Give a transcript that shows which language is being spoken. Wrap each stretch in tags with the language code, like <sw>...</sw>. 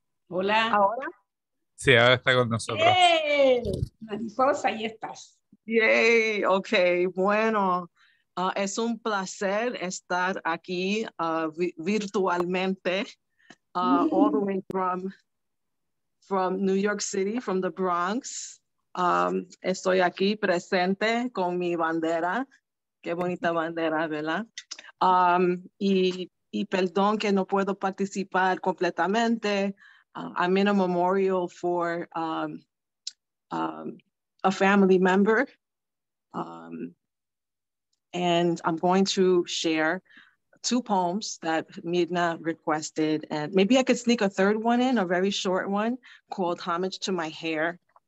<es>Hola. ¿Ahora? Sí, ahora está con nosotros. ¡Yay! Mariposa, ahí estás. ¡Yay! Ok, bueno. Es un placer estar aquí virtualmente.</es> <en>All the way from New York City, from the Bronx.</en> <es>Estoy aquí presente con mi bandera. Qué bonita bandera, ¿verdad? Y perdón que no puedo participar completamente.</es> <en>I'm in a memorial for a family member. And I'm going to share two poems that Midna requested. And maybe I could sneak a third one in, a very short one called Homage to My Hair.</en>